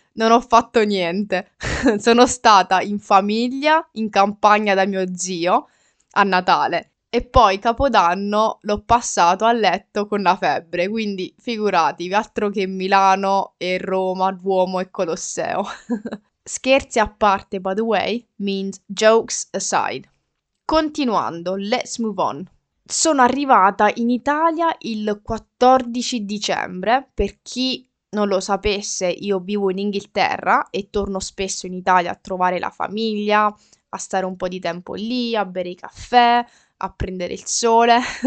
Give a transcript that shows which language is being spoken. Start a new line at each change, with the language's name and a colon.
Italian: Non ho fatto niente. Sono stata in famiglia, in campagna da mio zio, a Natale. E poi Capodanno l'ho passato a letto con la febbre, quindi figuratevi, altro che Milano e Roma, Duomo e Colosseo. Scherzi a parte,
English: by the way, means jokes aside. Continuando, let's move on.
Italian: Sono arrivata in Italia il 14 dicembre, per chi non lo sapesse, io vivo in Inghilterra e torno spesso in Italia a trovare la famiglia, a stare un po' di tempo lì, a bere i caffè, a prendere il sole.